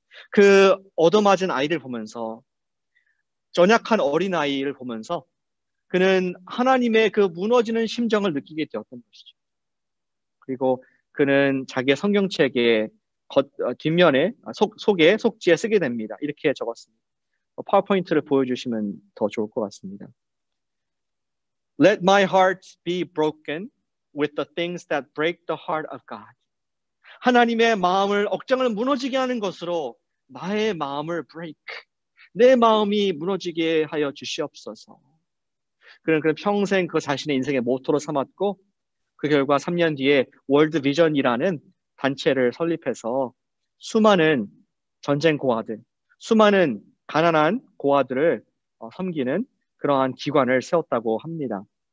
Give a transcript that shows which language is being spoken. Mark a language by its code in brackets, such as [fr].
[ko] 그 얻어맞은 아이를 보면서 전약한 어린아이를 보면서 그는 하나님의 그 무너지는 심정을 느끼게 되었던 것이죠. 그리고 그는 자기의 성경책에 뒷면에 속에 속지에 쓰게 됩니다. 이렇게 적었습니다. 파워포인트를 보여주시면 더 좋을 것 같습니다. [en] Let my heart be broken with the things that break the heart of God. [ko] 하나님의 마음을 억장을 무너지게 하는 것으로 나의 마음을 break. 내 마음이 무너지게 하여 주시옵소서. 그는 평생 그 자신의 인생의 모토로 삼았고 그 결과 3년 뒤에 월드 비전이라는 단체를 설립해서 수많은 전쟁 고아들, 수많은 가난한 고아들을 섬기는 그러한 기관을 세웠다고 합니다.